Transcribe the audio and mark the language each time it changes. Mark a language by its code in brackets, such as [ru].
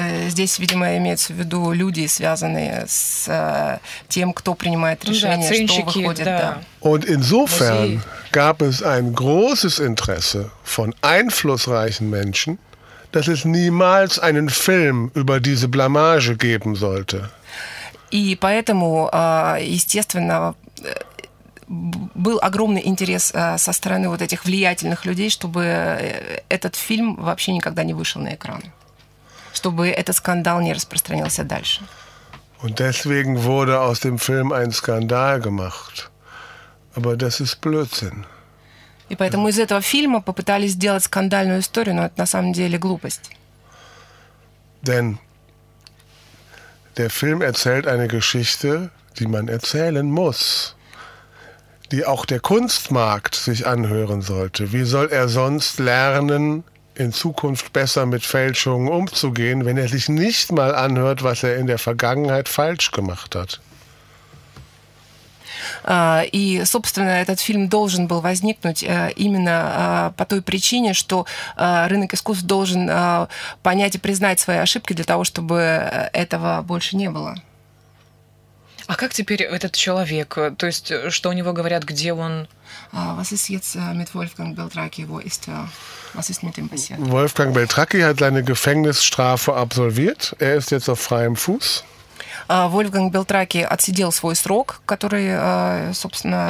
[ru] Здесь, видимо, имеются в виду люди, связанные с тем, кто принимает решение, да, что выходит. Да. [de] Und insofern gab es ein großes Interesse von einflussreichen Menschen, dass es niemals einen Film über diese Blamage geben sollte. [ru] И поэтому, естественно, был огромный интерес со стороны вот этих влиятельных людей, чтобы этот фильм вообще никогда не вышел на экран, чтобы этот скандал не распространился дальше. [de] Und deswegen wurde aus dem Film ein Skandal gemacht. Aber das ist Blödsinn. [ru] И поэтому из этого фильма попытались сделать скандальную историю, но это на самом деле глупость. [de] Denn der Film erzählt eine Geschichte, die man erzählen muss, die auch der Kunstmarkt sich anhören sollte. Wie soll sonst lernen, in Zukunft besser mit Fälschungen umzugehen, wenn sich nicht mal anhört, was in der Vergangenheit falsch gemacht hat? [ru] И, собственно, этот фильм должен был возникнуть именно по той причине, что рынок искусств должен понять и признать свои ошибки для того, чтобы этого больше не было. А как теперь этот человек? То есть, что у него говорят, где он? [de] Was ist jetzt mit Wolfgang Beltracchi? Wo ist er? Was ist mit ihm passiert? Wolfgang Beltracchi hat seine Gefängnisstrafe absolviert. Ist jetzt auf freiem Fuß. [ru] Вольфганг Белтраки отсидел свой срок, который, собственно,